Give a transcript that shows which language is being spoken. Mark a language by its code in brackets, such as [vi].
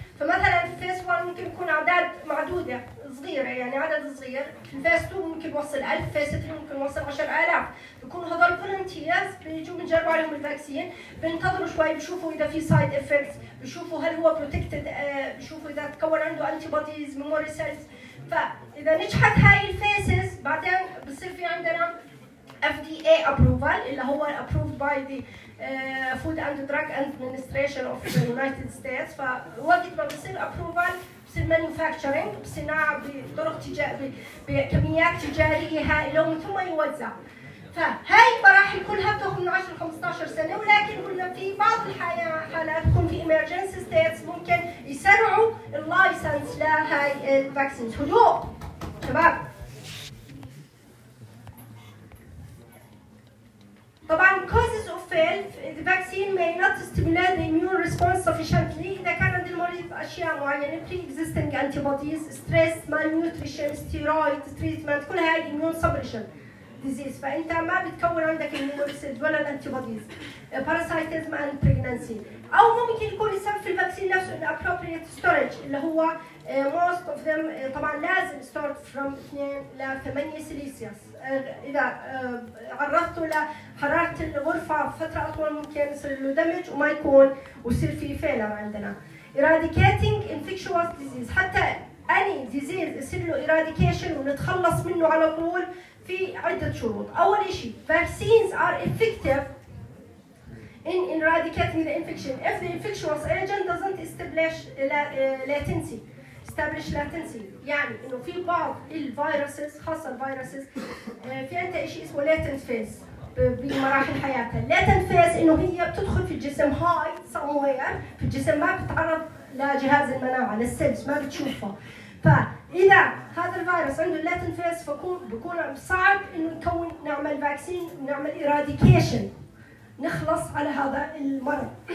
[ar] فمثلا في فيس 1 ممكن يكون اعداد معدوده صغيره، يعني عدد صغير. في فيس 2 ممكن يوصل 1000، فيس 3 ممكن يوصل 10000. بيكونوا هذول فولنتيرز بيجوا بنجرب عليهم الفاكسين، بنتظروا شوي بشوفوا اذا في [en] side effects, [ar] بشوفوا هل هو بروتكتد، بشوفوا اذا تكون عنده [en] Antibodies memory cells. [ar] فاذا نجحت هاي الفيسز بعدين بصير في عندنا FDA approval اللي هو approved [en] by the Food and Drug Administration of the United States. [ar] فوقت ما بصير approval بصير manufacturing، بصناعة بطرق تجارية بكميات تجارية هائلة ومن ثم يوزع. فهاي المراحل كلها بتاخذ من 10 ل 15 سنة، ولكن قلنا في بعض الحالات تكون في [en] emergency states [ar] ممكن يسرعوا اللايسنس لهاي الفاكسينز. هدوء شباب. طبعاً [en] causes of fail the vaccine may not stimulate the immune response sufficiently. [ar] إذا كان عند المريض أشياء معينة [en] pre-existing antibodies, stress, malnutrition, steroid treatment، كل هاي immune suppression disease. [ar] فأنت ما بتكون عندك [en] immune cells [ar] ولا antibodies. [en] Parasitism and pregnancy. [ar] أو ممكن يكون السبب في الفاكسين نفسه إن appropriate storage اللي هو [en] most of them [ar] طبعاً لازم start from 2 ل 8 سيليسياس. إذا عرضته لحرارة الغرفة فترة أطول ممكن يصير له دمج وما يكون ويصير فيه فيلر عندنا. Eradicating infectious disease، حتى أي ديزيز يصير له إيراديكيشن ونتخلص منه على طول في عدة شروط. [en] أول شيء vaccines are effective in eradicating the infection if the infectious agent doesn't establish latency. [ar] Establish latency يعني إنه في بعض الفيروسات خاصة الفيروسات في أنت إشي اسمه [en] latent phase [ar] بمراحل حياتها. latent phase إنه هي بتدخل في الجسم [en] high somewhere [ar] في الجسم ما بتعرض ل لجهاز المناعة للسيلز ما بتشوفه. فإذا هذا الفيروس عنده اللاتن فيس بكون صعب إنه نكون نعمل فاكسين نعمل إراديكيشن نخلص على هذا المرض.